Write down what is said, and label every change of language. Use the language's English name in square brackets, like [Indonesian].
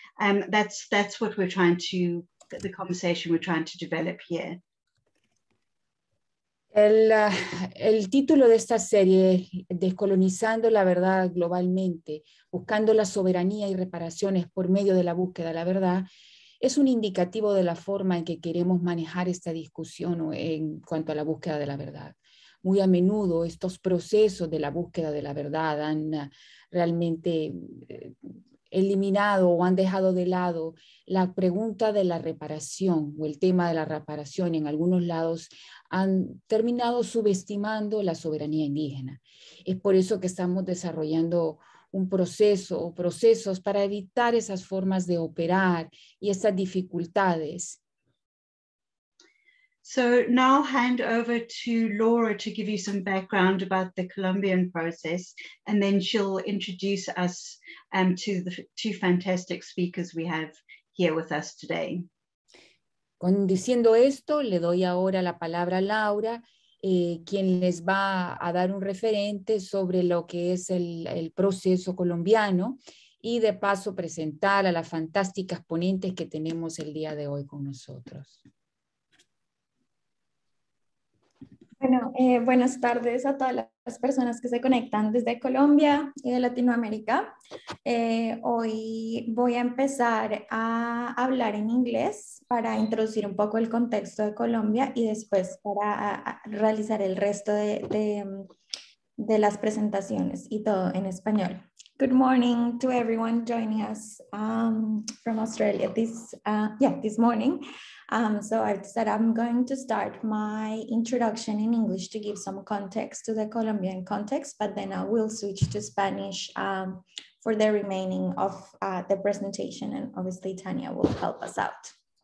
[English] That's what we're trying to, the conversation we're trying to develop here. [Spanish] El título de esta serie es Descolonizando la Verdad Globalmente, Buscando la Soberanía y Reparaciones por Medio de la Búsqueda de la Verdad. Es un indicativo de la forma en que queremos manejar esta discusión en cuanto a la búsqueda de la verdad. Muy a menudo estos procesos de la búsqueda de la verdad han realmente eliminado o han dejado de lado la pregunta de la reparación o el tema de la reparación, y en algunos lados han terminado subestimando la soberanía indígena. Es por eso que estamos desarrollando un proceso o procesos para evitar esas formas de operar y esas dificultades. [English] So now I'll hand over to Laura to give you some background about the Colombian process, and then she'll introduce us to the two fantastic speakers we have here with us today. [Spanish] Diciendo esto, le doy ahora la palabra a Laura, quien les va a dar un referente sobre lo que es el proceso colombiano y de paso presentar a las fantásticas ponentes que tenemos el día de hoy con nosotros. Bueno, buenas tardes a todas las personas que se conectan desde Colombia y de Latinoamérica. Hoy voy a empezar a hablar en inglés para introducir un poco el contexto de Colombia y después para realizar el resto de las presentaciones y todo en español. [English] Good morning to everyone joining us from Australia this morning. So I've said I'm going to start my introduction in English to give some context to the Colombian context, but then I will switch to Spanish for the remaining of the presentation, and obviously Tania will help us out.